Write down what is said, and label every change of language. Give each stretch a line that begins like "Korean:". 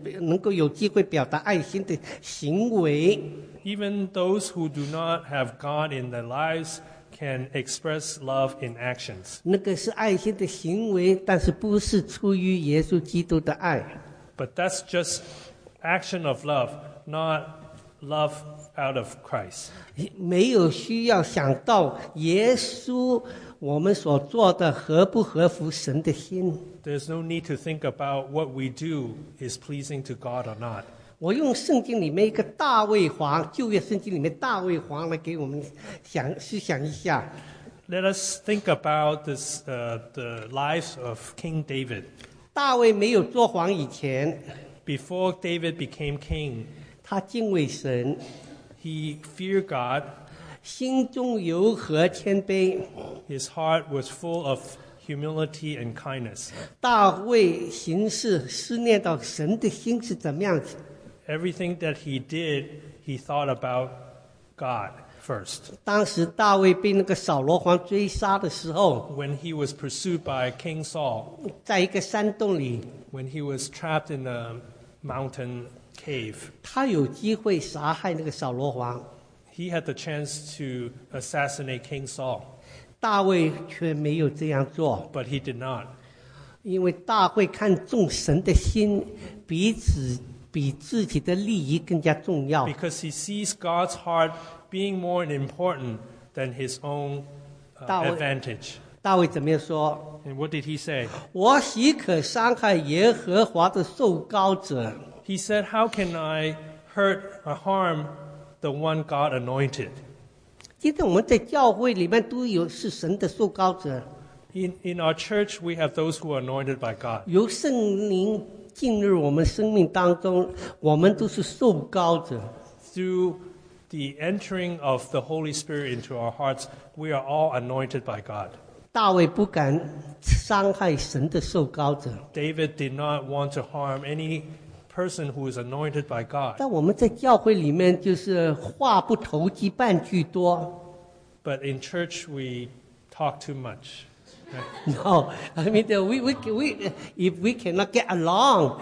Chinese: 没有神的人可能也能够有机会表达爱心的行为。
English: Even those who do not have God in their lives can express love in actions.
Chinese: 那个是爱心的行为,
English: but that's just action of love, not love out of Christ.
Chinese: 没有需要想到耶稣我们所做的合不合乎神的心。
English: There's no need to think about what we do is pleasing to God or not.
Chinese: 我用圣经里面一个大卫皇，旧约圣经里面大卫皇来给我们想一下。
English: Let us think about this, the lives of King David.
Chinese: 大卫没有做皇以前,
English: before David became king,
Chinese: 他敬畏神。
English: He feared God.
Chinese: 心中柔和谦卑。
English: His heart was full of humility and kindness.
Chinese: 大卫行事思念到神的心是怎么样子。
English: Everything that he did, he thought about God first.
Chinese: 当时大卫被那个扫罗皇追杀的时候,
English: when he was pursued by King Saul,
Chinese: 在一个山洞里,
English: when he was trapped in a mountain cave,
Chinese: 他有机会杀害那个扫罗皇。
English: He had the chance to assassinate King Saul.
Chinese: 大卫却没有这样做。
English: But he did not.
Chinese: 因为大卫看重神的心, 彼此
English: Because he sees God's heart being more important than his own advantage.
Chinese: 大卫怎么说?
English: And what did he say?
Chinese: 我岂可伤害耶和华的受膏者?
English: He said, how can I hurt or harm the one God anointed?
Chinese: 其实我们在教会里面都有是神的受膏者。
English: In our church, we have those who are anointed by God.
Chinese: 由圣灵 进入我们生命当中, 我们都是受膏者。
English: Through the entering of the Holy Spirit into our hearts, we are all anointed by God.
Chinese: 大卫不敢伤害神的受膏者。
English: David did not want to harm any person who is anointed by God.
Chinese: 但我们在教会里面就是话不投机半句多。
English: But in church, we talk too much. No, I mean that we if we cannot get along.